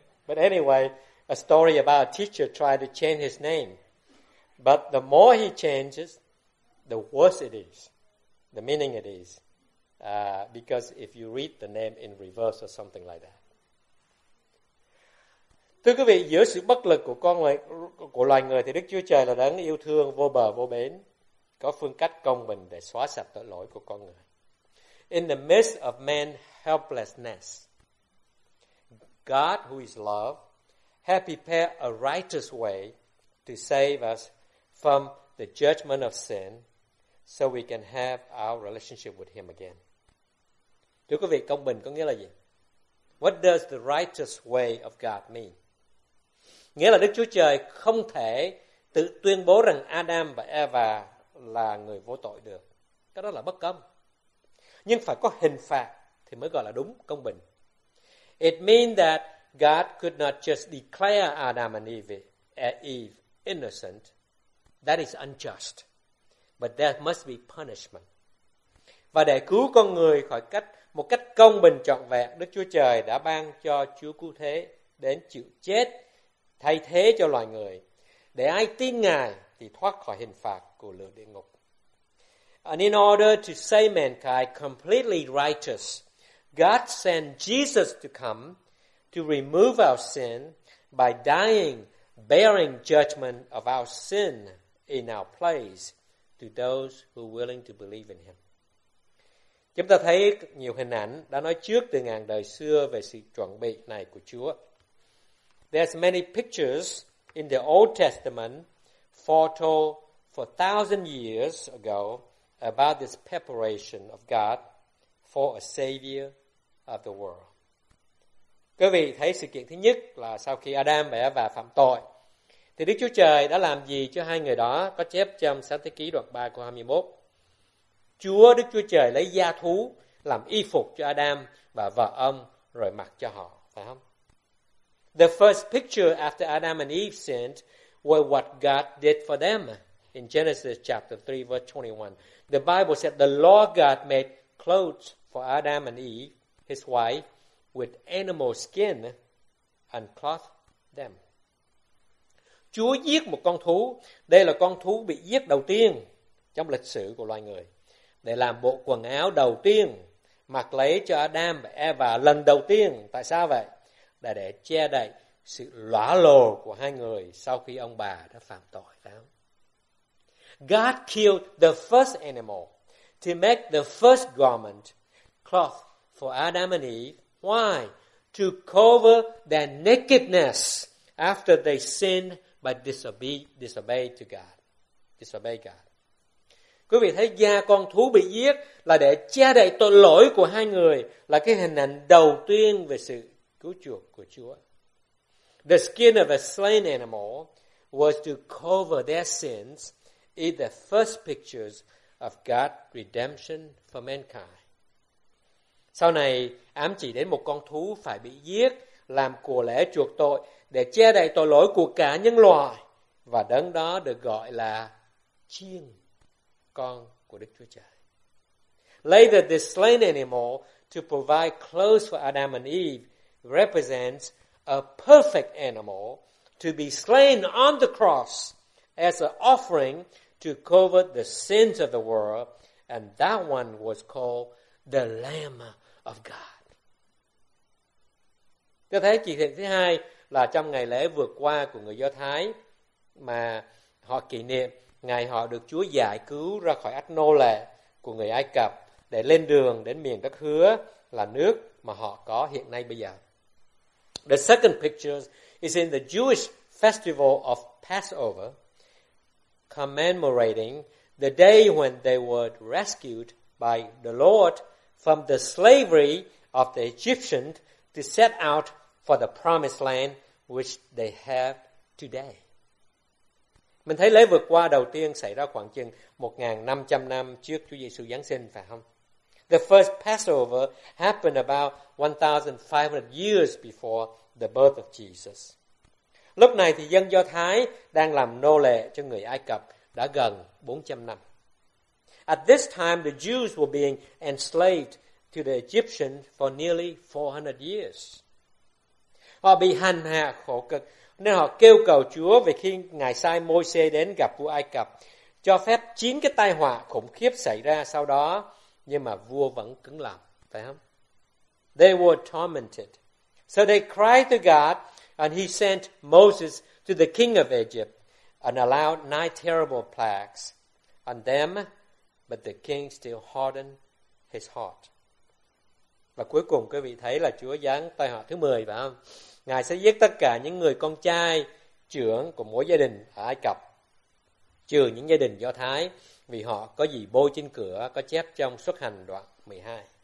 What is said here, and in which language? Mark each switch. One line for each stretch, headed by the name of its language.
English: But anyway, a story about a teacher tried to change his name. But the more he changes, the worse it is. The meaning it is. Because if you read the name in reverse or something like that.
Vietnamese: Thưa quý vị, giữa sự bất lực của con người, của loài người thì Đức Chúa Trời là đấng yêu thương vô bờ vô bến, có phương cách công bình để xóa sạch tội lỗi của con người.
English: In the midst of man's helplessness, God who is love has prepared a righteous way to save us from the judgment of sin so we can have our relationship with him again.
Vietnamese: Thưa quý vị, công bình có nghĩa là gì?
English: What does the righteous way of God mean?
Vietnamese: Nghĩa là Đức Chúa Trời không thể tự tuyên bố rằng Adam và Eva là người vô tội được. Cái đó là bất công. Nhưng phải có hình phạt thì mới gọi là đúng, công bình.
English: It means that God could not just declare Adam and Eve innocent. That is unjust. But there must be punishment.
Vietnamese: Và để cứu con người khỏi cách một cách công bình trọn vẹn, Đức Chúa Trời đã ban cho Chúa Cứu Thế đến chịu chết thay thế cho loài người, để ai tin Ngài thì thoát khỏi hình phạt của lửa địa ngục.
English: And in order to save mankind completely righteous, God sent Jesus to come to remove our sin by dying, bearing judgment of our sin in our place to those who are willing to believe in him.
Vietnamese: Chúng ta thấy nhiều hình ảnh đã nói trước từ ngàn đời xưa về sự chuẩn bị này của Chúa.
English: There's many pictures in the Old Testament foretold for 1,000 years ago about this preparation of God for a savior of the world.
Vietnamese: Quý vị thấy sự kiện thứ nhất là sau khi Adam và Eva phạm tội, thì Đức Chúa Trời đã làm gì cho hai người đó? Có chép trong Sáng Thế Ký đoạn 3 câu 21. Chúa Đức Chúa Trời lấy da thú làm y phục cho Adam và vợ ông rồi mặc cho họ, phải không?
English: The first picture after Adam and Eve sinned was what God did for them in Genesis chapter 3, verse 21. The Bible said the Lord God made clothes for Adam and Eve, his wife, with animal skin and clothed them.
Vietnamese: Chúa giết một con thú. Đây là con thú bị giết đầu tiên trong lịch sử của loài người, để làm bộ quần áo đầu tiên mặc lấy cho Adam và Eva lần đầu tiên. Tại sao vậy? Là để che đậy sự lõa lồ của hai người sau khi ông bà đã phạm tội.
English: God killed the first animal to make the first garment, cloth for Adam and Eve. Why? To cover their nakedness after they sinned by disobeyed God.
Vietnamese: Quý vị thấy da con thú bị giết là để che đậy tội lỗi của hai người, là cái hình ảnh đầu tiên về sự cứu chuộc của Chúa.
English: The skin of a slain animal was to cover their sins is the first pictures of God's redemption for mankind.
Vietnamese: Sau này, ám chỉ đến một con thú phải bị giết, làm của lễ chuộc tội để che đậy tội lỗi của cả nhân loại. Và đấng đó được gọi là chiên, con của Đức Chúa Trời.
English: Later, the slain animal to provide clothes for Adam and Eve represents a perfect animal to be slain on the cross as an offering to cover the sins of the world, and that one was called the Lamb of God.
Vietnamese: Tôi thấy chỉ thị thứ hai là trong ngày lễ vượt qua của người Do Thái mà họ kỷ niệm ngày họ được Chúa giải cứu ra khỏi ách nô lệ của người Ai Cập để lên đường đến miền đất hứa là nước mà họ có hiện nay bây giờ.
English: The second picture is in the Jewish festival of Passover, commemorating the day when they were rescued by the Lord from the slavery of the Egyptians to set out for the promised land which they have today.
Vietnamese: Mình thấy lễ vượt qua đầu tiên xảy ra khoảng chừng 1500 năm trước Chúa Giêsu giáng sinh phải không?
English: The first Passover happened about 1500 years before the birth of Jesus.
Vietnamese: Lúc này thì dân Do Thái đang làm nô lệ cho người Ai Cập đã gần 400 năm.
English: At this time, the Jews were being enslaved to the Egyptians for nearly 400 years.
Vietnamese: Họ bị hành hạ khổ cực, nên họ kêu cầu Chúa về khi Ngài sai Môi-se đến gặp vua Ai Cập, cho phép 9 cái tai họa khủng khiếp xảy ra sau đó, nhưng mà vua vẫn cứng lòng, phải không?
English: They were tormented. So they cried to God, and he sent Moses to the king of Egypt and allowed 9 terrible plagues on them, but the king still hardened his heart.
Vietnamese: Và cuối cùng quý vị thấy là Chúa giáng tai họa thứ 10, phải không? Ngài sẽ giết tất cả những người con trai trưởng của mỗi gia đình ở Ai Cập, trừ những gia đình Do Thái, vì họ có gì bôi trên cửa, có chép trong Xuất Hành đoạn 12.